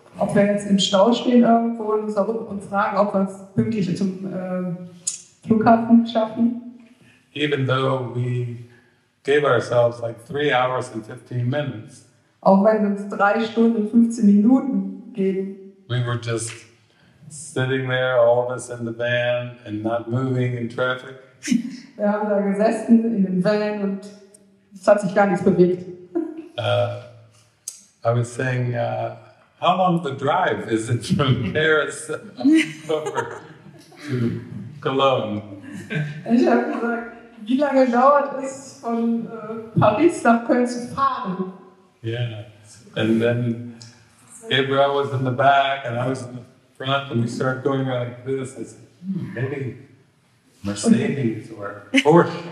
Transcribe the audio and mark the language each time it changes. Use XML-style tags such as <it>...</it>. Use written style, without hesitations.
<de>Ob wir jetzt im Stau stehen irgendwo und fragen, ob wir es pünktlich zum Flughafen schaffen.</de> <en>Even though we gave ourselves like 3 hours and 15 minutes.</en> <de>Auch wenn wir uns 3 Stunden und 15 Minuten geben.</de> <en>We were just sitting there, all of us in the van and not moving in traffic.</en> <de>Wir haben da gesessen in dem Van und es hat sich gar nichts bewegt.</de> <en>I was saying, how long the drive is it from Paris over to Cologne?</en> <de>Ich habe gesagt, wie lange dauert es von Paris nach Köln zu fahren?</de> <en>Yeah, and then Gabriel was in the back and I was in the front, and we start going around like this. I said, maybe Mercedes or Porsche.</en>